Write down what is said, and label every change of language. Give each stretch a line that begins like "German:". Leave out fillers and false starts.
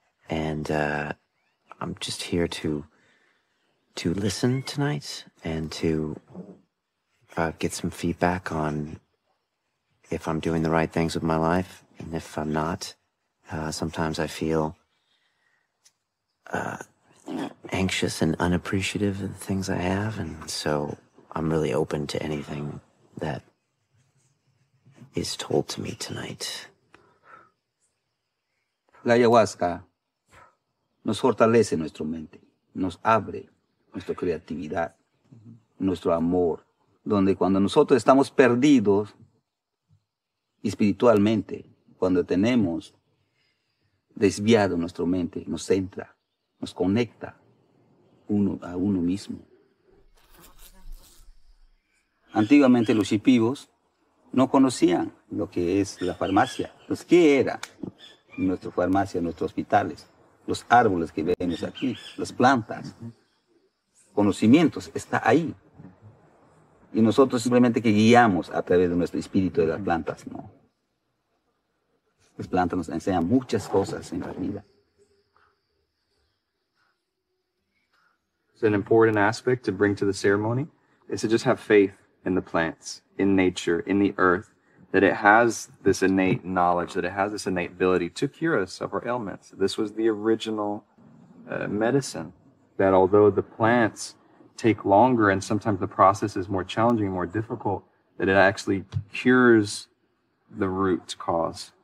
English: And I'm just here to listen tonight and to get some feedback on if I'm doing the right things with my life and if I'm not. Sometimes I feel anxious and unappreciative of the things I have, and so I'm really open to anything that is told to me tonight.
Spanish: La ayahuasca nos fortalece nuestra mente, nos abre nuestra creatividad, nuestro amor, donde cuando nosotros estamos perdidos espiritualmente, cuando tenemos desviado nuestra mente, nos centra, nos conecta uno a uno mismo. Antiguamente los shipibos no conocían lo que es la farmacia. Pues, ¿qué era nuestra farmacia, nuestros hospitales? Los árboles que vemos aquí, las plantas, conocimientos, está ahí. Y nosotros simplemente que guiamos a través de nuestro espíritu de las plantas, ¿no? Las plantas nos enseñan muchas cosas en la vida.
English: It's an important aspect to bring to the ceremony is to just have faith in the plants, in nature, in the earth, that it has this innate knowledge, that it has this innate ability to cure us of our ailments. This was the original medicine, that although the plants take longer and sometimes the process is more challenging, more difficult, that it actually cures the root cause.